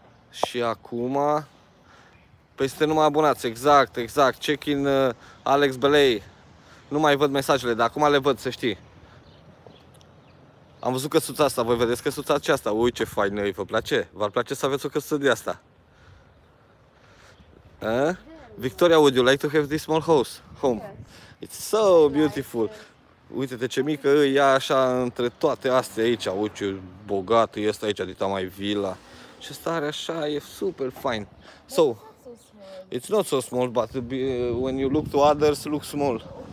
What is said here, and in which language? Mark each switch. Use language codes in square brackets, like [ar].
[ro] Și acum, păi suntem numai abonați, exact, exact, check-in Alex Belay. Nu mai văd mesajele, dar acum le văd, să știi. Am văzut căsuța asta, voi vedeți căsuța aceasta. Ui, ce faină, îi vă place? V-ar place să aveți o căsuță de asta? A? [en] Victoria, would you like to have this small house? Home. It's so beautiful. [ro] Uite-te ce mică e, ea așa între toate astea aici. Ui, ce bogat e ăsta aici, adică mai vila. Și ăsta are așa, e super fain. [en] So, it's not so small, but when you look to others, look small.